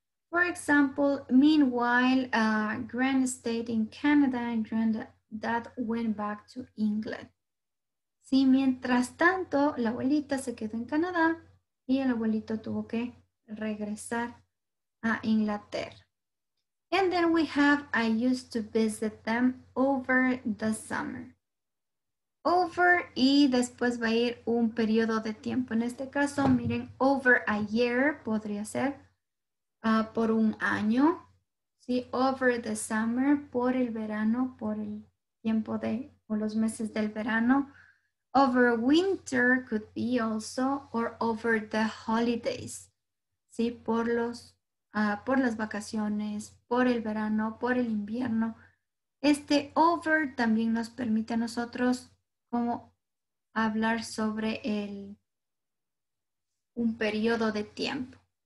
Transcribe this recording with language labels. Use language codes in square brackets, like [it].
[en] For example, meanwhile, Gran stayed in Canada and Granddad went back to England. ¿Sí? [es] Mientras tanto, la abuelita se quedó en Canadá y el abuelito tuvo que regresar a Inglaterra. [en] And then we have, I used to visit them over the summer. [es] Over y después va a ir un periodo de tiempo. En este caso, miren, [en] over a year [es] podría ser por un año. ¿Sí? [en] Over the summer, [es] por el verano, por el tiempo de, o los meses del verano. [en] Over winter could be also, or over the holidays. [es] ¿Sí? Por las vacaciones, por el verano, por el invierno. Este over también nos permite a nosotros como hablar sobre un periodo de tiempo.